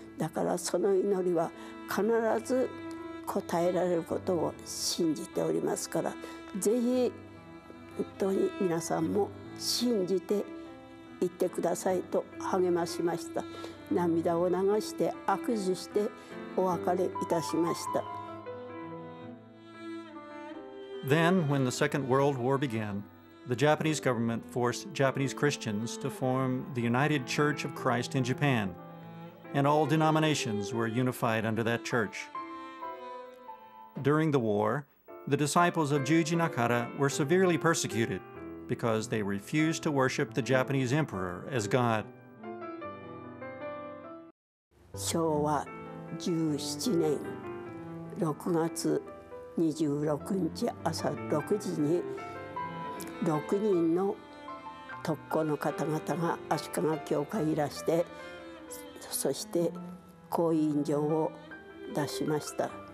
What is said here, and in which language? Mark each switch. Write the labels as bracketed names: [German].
[Japanese] だからその祈りは必ず応えられることを信じておりますから、ぜひ本当に皆さんも信じて行ってくださいと励ましました。涙を流して握手してお別れいたしました。 [English] Then, when the Second World War began, the Japanese government forced Japanese Christians to form the United Church of Christ in Japan, and all denominations were unified under that church. During the war, the disciples of Juji Nakata were severely persecuted because they refused to worship the Japanese emperor as God. [Japanese] 昭和17年6月26日朝6時に6人の特攻の方々が足利教会にいらして、そして講演状を出しました。